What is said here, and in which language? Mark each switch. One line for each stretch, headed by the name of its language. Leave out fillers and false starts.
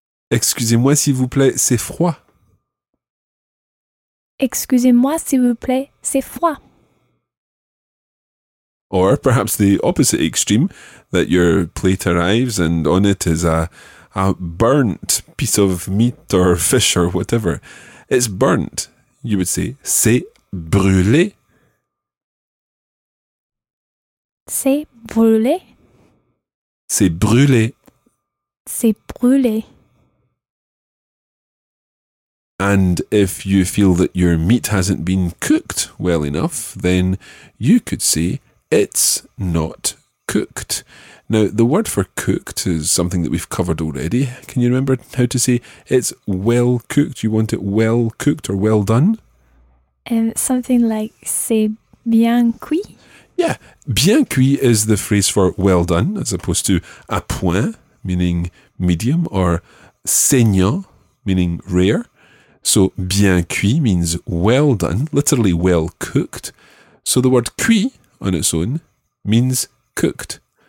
French: Excusez-moi, s'il vous plaît, c'est froid. Excusez-moi, s'il vous plaît, c'est froid.
English: Or perhaps the opposite extreme, that your plate arrives and on it is a burnt piece of meat or fish or whatever. It's burnt. You would say,
French: c'est brûlé. C'est brûlé. C'est brûlé. C'est brûlé.
English: And if you feel that your meat hasn't been cooked well enough, then you could say, it's not cooked. Now, the word for cooked is something that we've covered already. Can you remember how to say it's well cooked? You want it well cooked or well done? Something like,
French: c'est bien cuit?
English: Yeah, bien cuit is the phrase for well done, as opposed to à point, meaning medium, or saignant, meaning rare. So, bien cuit means well done, literally well cooked. So, the word cuit on its own means cooked.